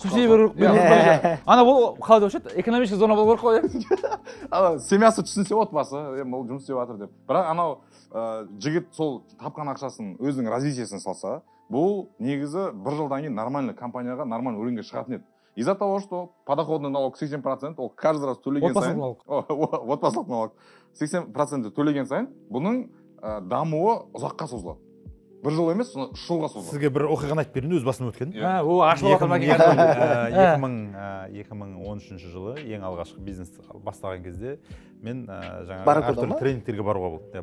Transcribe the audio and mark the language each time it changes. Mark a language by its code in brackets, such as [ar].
[kk] құтқарылса. Ана бұл қалай деп айтады? Экономический зона болу керек қой. Ана семьясы түсінсе отбасы, бұл жұмыс істеп жатыр деп. Бірақ анау жігіт сол тапқан ақшасын өзінің развитиесін салса, бұл негізі бір жылдан кейін нормальный компанияға, нормальный өрінге шығатын еді. [ru] Из-за того, что подоходный налог 80%, ол каждый раз [kk] төлеген сайын. Отбасылық налог. 80% төлеген сайын, бұның дамуы ұзаққа созылады. Бір жыл емес, соны шылға созды. Сізге бір оқиғаны айтып берейін, өз басым өткен. О, ашылып отырмаған екен. 2013 жылы ең алғашқы бизнес бастаған кезде, мен жаңағы әртүрлі тренингтерге баруға болды.